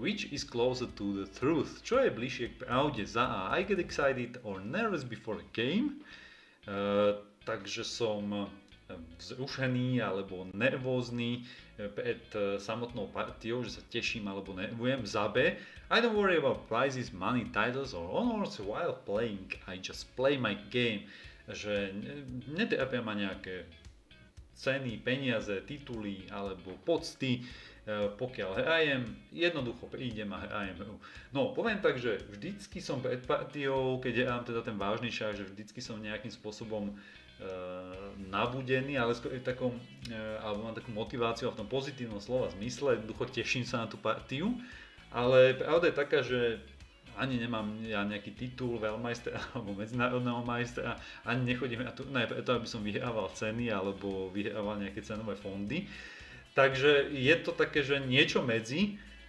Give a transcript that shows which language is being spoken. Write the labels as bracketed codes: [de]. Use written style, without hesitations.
[en] Which is closer to the truth? [sk] Čo je bližšie k pravde? Za A. [en] I get excited or nervous before a game. [sk] Takže som vzrušený alebo nervózny pred samotnou partiou, že sa teším alebo nervujem. Za B. [en] I don't worry about prizes, money, titles or honors while playing. I just play my game. [sk] Že netrápia ma nejaké ceny, peniaze, tituly alebo pocty, pokiaľ hrajem, jednoducho prídem a hrajem. No, poviem tak, že vždycky som pred partiou, keď hrám teda ten vážny šach, že vždycky som nejakým spôsobom nabudený, ale skôr alebo mám takú motiváciu a v tom pozitívnom slova zmysle, jednoducho teším sa na tú partiu, ale pravda je taká, že ani nemám ja nejaký titul veľmajstra alebo medzinárodného majstra, ani nechodím na turnaje preto, aby som vyhrával ceny alebo vyhrával nejaké cenové fondy. Takže je to také, že niečo medzi,